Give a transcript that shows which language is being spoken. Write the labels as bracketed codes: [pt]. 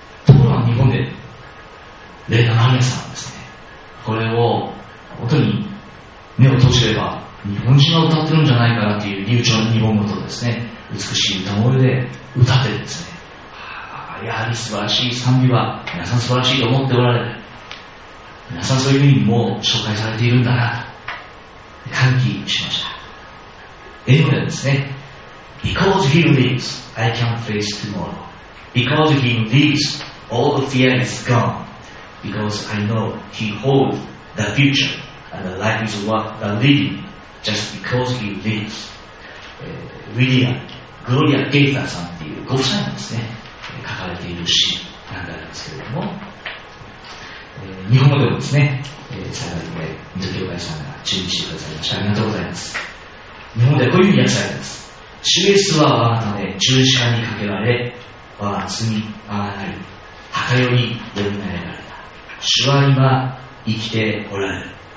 [ja] ところが日本で、レナ・マリアさんですね、これを本当に目を閉じれば日本人が歌ってるんじゃないかなっていう流暢な日本語とですね、美しい歌声で歌ってですね、あ、やはり素晴らしい賛美は皆さん素晴らしいと思っておられる、皆さんそういう風にもう紹介されているんだなと歓喜しました。英語ではですね、 [en] Because he lives, I can face tomorrow. Because he lives, all the fear is goneBecause I know He holds the future and the life is worth living just because He lives. [ja] ウィリアグロリア・ゲイターさんっていうご夫妻にですね、書かれている詩なんですけれども、日本語でもですね、幸いで水戸教会さんが注意してくださいました。ありがとうございます。日本ではこういうふうに訳されます。主イエスは我がため十字架にかけられ、我が罪我がなり墓よりよみがえられ、主は今生きておられる。